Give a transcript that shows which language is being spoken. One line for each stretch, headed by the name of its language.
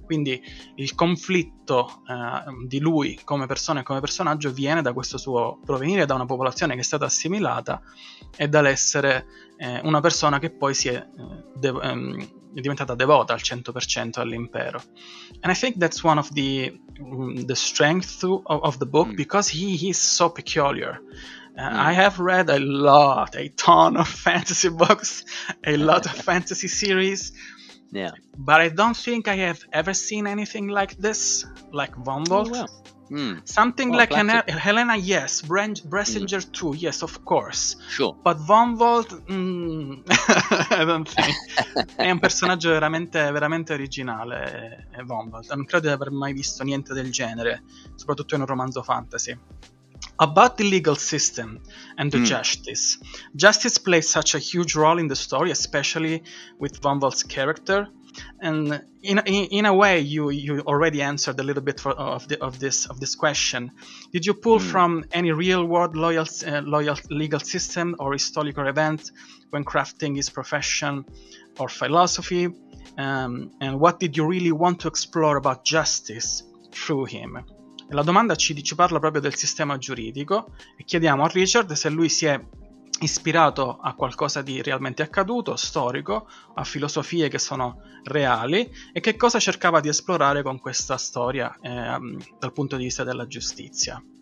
Italian: Quindi il conflitto di lui come persona e come personaggio viene da questo suo provenire da una popolazione che è stata assimilata e dall'essere una persona che poi si è diventata devota al 100% all'impero.
English: And I think that's one of the strength of the book, because he is so peculiar. I have read a ton of fantasy books, a lot of fantasy series. Yeah. But I don't think I have ever seen anything like this, like Von Volt. Something like Helena, yes. Bressinger, too, yes, of course. Sure. But Von Volt, I don't think.
Italian: È un personaggio veramente, veramente originale, Von Volt. Non credo di aver mai visto niente del genere, soprattutto in un romanzo fantasy.
English: About the legal system and the justice. Justice plays such a huge role in the story, especially with Von Volt's character. And in a way, you already answered a little bit of this question. Did you pull from any real world loyal legal system or historical event when crafting his profession or philosophy? And what did you really want to explore about justice through him?
Italian: La domanda ci parla proprio del sistema giuridico e chiediamo a Richard se lui si è ispirato a qualcosa di realmente accaduto, storico, a filosofie che sono reali e che cosa cercava di esplorare con questa storia dal punto di vista della giustizia.